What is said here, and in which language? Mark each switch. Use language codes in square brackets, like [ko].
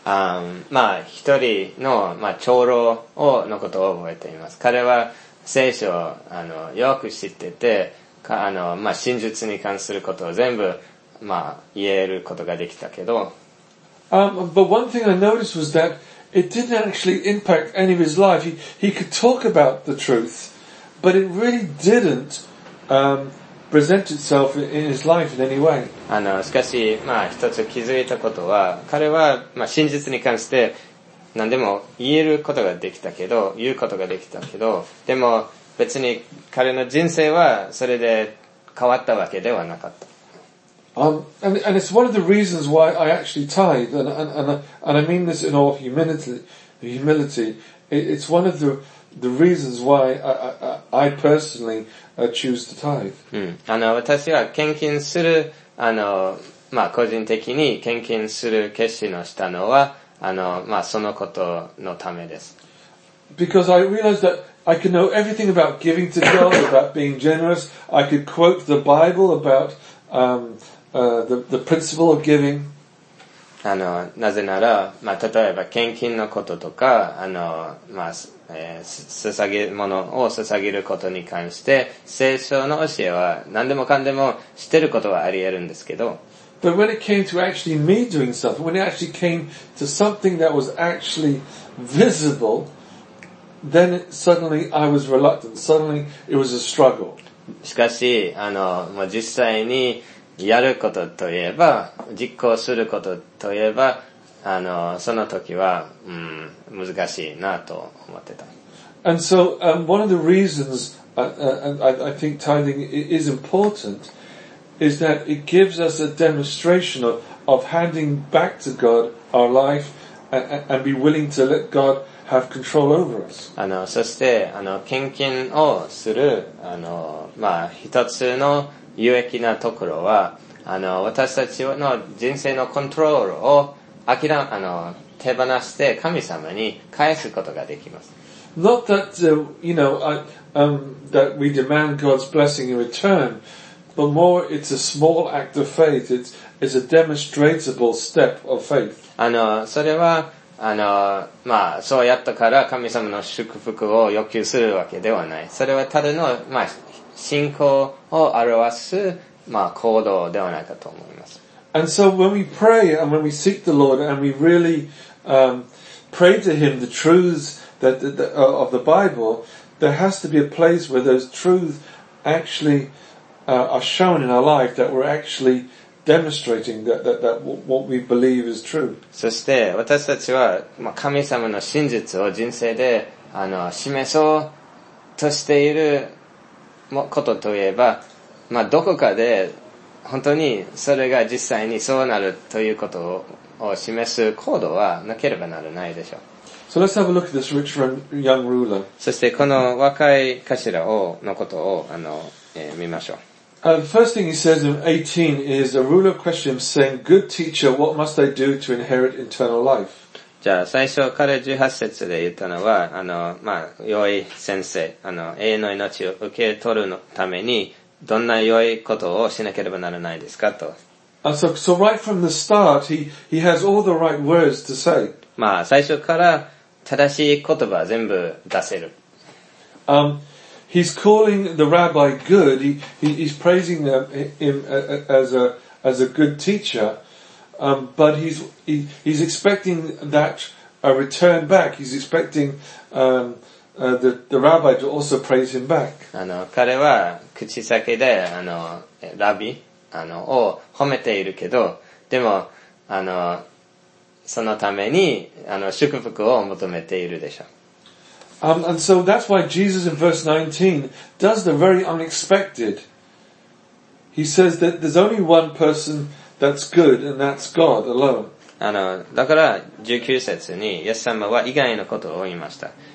[ja] まあ一人のまあ長老をのことを覚えています。彼は聖書をよく知ってて、まあ真実に関することを全部まあ言えることができたけど。 [en] But one thing I noticed was that it didn't actually impact any of his life. He could talk about the truth, but it really didn't, present itself in his life in any way. [ja] しかし、まあ一つ気づいたことは、彼は、まあ真実に関して何でも言えることができたけど、言うことができたけど、でも別に彼の人生はそれで変わったわけではなかった。 [en] And it's one of the reasons why I actually tithe, and I mean this in all humility. It's one of the reasons why I personally choose to tithe. [ja] 私は献金する、まあ、個人的に献金する決心をしたのは、まあ、そのことのためです。 [en] Because I realized that I could know everything about giving to God, about being generous. I could quote the Bible about, the principle of giving. [ja] なぜなら、まあ、例えば献金のこととか、まあ、捧げ物を捧げることに関して、聖書の教えは何でもかんでも知ってることはあり得るんですけど。 [en] But when it came to actually me doing stuff, when it actually came to something that was actually visible, then suddenly I was reluctant. Suddenly it was a struggle. [ja] しかし、もう実際に、やることといえば、実行することといえば、その時は、うん、難しいなと思ってた。 [en] And so, one of the reasons I think tithing is important is that it gives us a demonstration of handing back to God our life and be willing to let God have control over us. [ja] そして、献金をする、まあ、一つの有益なところは、私たちの人生のコントロールを手放して神様に返すことができます。 [en] Not that, you know, that we demand God's blessing in return, but more it's a small act of faith. It's a demonstrable step of faith. [ja] それは、まあ、そうやったから神様の祝福を要求するわけではない。それはただの、まあ、信仰を表す、まあ、行動ではないかと思います。 [en] And so when we pray and when we seek the Lord and we really, pray to Him the truths that, of the Bible, there has to be a place where those truths actually, are shown in our life that we're actually demonstrating that, that, that what we believe is true. [ja] そして私たちは、まあ、神様の真実を人生で示そうとしていることといえば、まあ、どこかで本当にそれが実際にそうなるということを示す行動はなければならないでしょう。 [en] So let's have a look at this rich young ruler. [ja] そしてこの若い頭をのことを見ましょう。 [en] First thing he says in 18 is a ruler questions saying, "Good teacher, what must I do to inherit eternal life?" [ja] じゃあ最初彼18節で言ったのは、まあ良い先生、永遠の命を受け取るのためにどんな良いことをしなければならないですかと。 [en] So right from the start, he has all the right words to say. [ja] まあ最初から正しい言葉全部出せる。 [en] He's calling the rabbi good. He's praising him as a good teacher. But he's expecting that a return back. He's expecting the rabbi to also praise him back. [ja] 彼は口先でラビを褒めているけど、でもそのために祝福を求めているでしょう。 [en] And so that's why Jesus in verse 19 does the very unexpected. He says that there's only one person that's good, and that's God alone. [ja] だから19節にイエス様は以外のことを言いました。